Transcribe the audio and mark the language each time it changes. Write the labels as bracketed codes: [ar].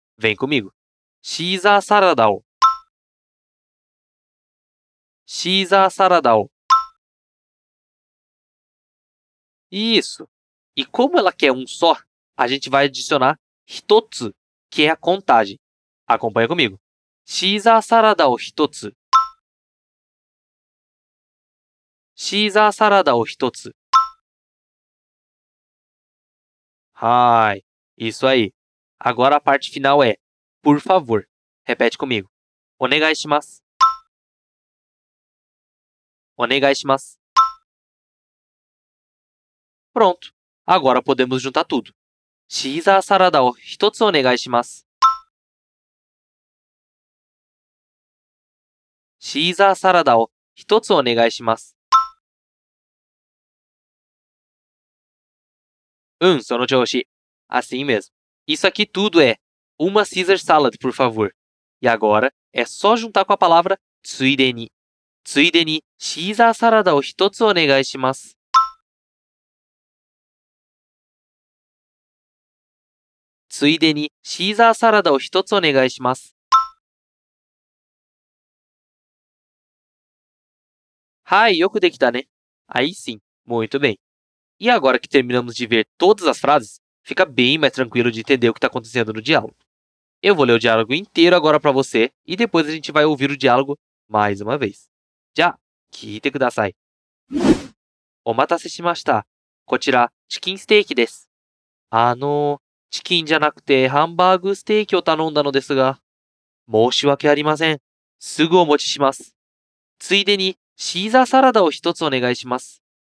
[pt] Vem comigo. [ja] シーザーサラダを。シーザーサラダを。 [pt] Isso. E como ela quer um só, a gente vai adicionar hitotsu, que é a contagem. Acompanha comigo. [ja] シーザーサラダを一つ。シーザーサラダを一つ。はい。 [pt] Isso aí. Agora a parte final é por favor. Repete comigo. [ja] お願いします。お願いします。 [pt] Pronto. Agora podemos juntar tudo. [ja] シーザーサラダを一つお願いします。シーザーサラダを一つお願いします。その調子。 [pt] Assim mesmo. Isso aqui tudo é uma Caesar salad, por favor. E agora é só juntar com a palavra ついでに。 [ja] ついでに、シーザーサラダを一つお願いします。ついでに、シーザーサラダを一つお願いします。はい、よくできたね。 [pt] Aí sim, muito bem. E agora que terminamos de ver todas as frases, fica bem mais tranquilo de entender o que está acontecendo no diálogo. Eu vou ler o diálogo inteiro agora para você e depois a gente vai ouvir o diálogo mais uma vez. [ja] Já, kite kudasai. お待たせしました。こちら、チキンステーキです。チキンじゃなくてハンバーグステーキを頼んだのですが、申し訳ありません。すぐお持ちします。ついでに、シーザーサラダを一つお願いします。